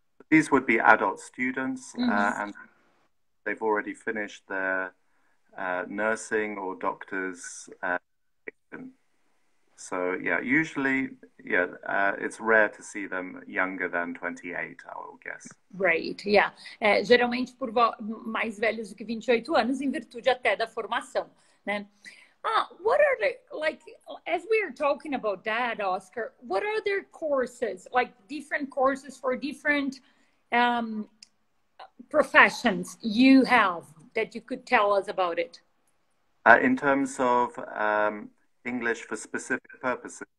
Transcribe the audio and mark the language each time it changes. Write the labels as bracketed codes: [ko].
[en] These would be adult students, and they've already finished their nursing or doctor's education. So, yeah, usually, yeah, it's rare to see them younger than 28, I will guess. Right, yeah. [pt] Geralmente por mais velhos do que 28 anos, em virtude até da formação, né? [en] What are the, like, as we are talking about that, Oscar, what are their courses, like different courses for different professions you have that you could tell us about it? In terms of English for specific purposes.